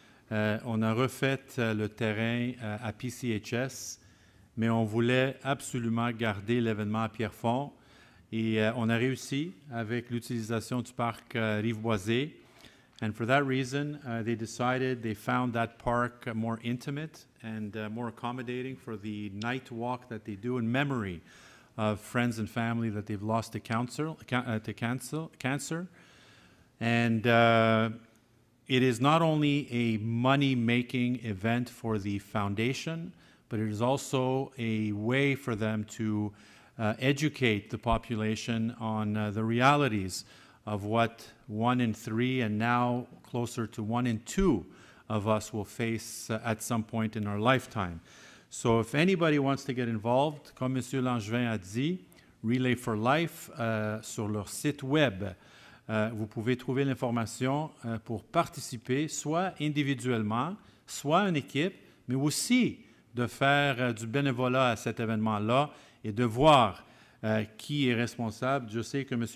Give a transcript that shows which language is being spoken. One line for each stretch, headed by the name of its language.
French: On a refait le terrain à PCHS, mais on voulait absolument garder l'événement à Pierrefonds. Et on a réussi avec l'utilisation du parc Rive-Boisée.
English: And for that reason, they found that park more intimate and more accommodating for the night walk that they do in memory of friends and family that they've lost to cancer. And it is not only a money-making event for the foundation, but it is also a way for them to educate the population on the realities of what one in three and now closer to one in two of us will face at some point in our lifetime. So if anybody wants to get involved,
French: comme Monsieur Langevin a dit, Relay for Life, sur leur site web, vous pouvez trouver l'information pour participer, soit individuellement, soit en équipe, mais aussi de faire du bénévolat à cet événement-là et de voir qui est responsable. Je sais que M.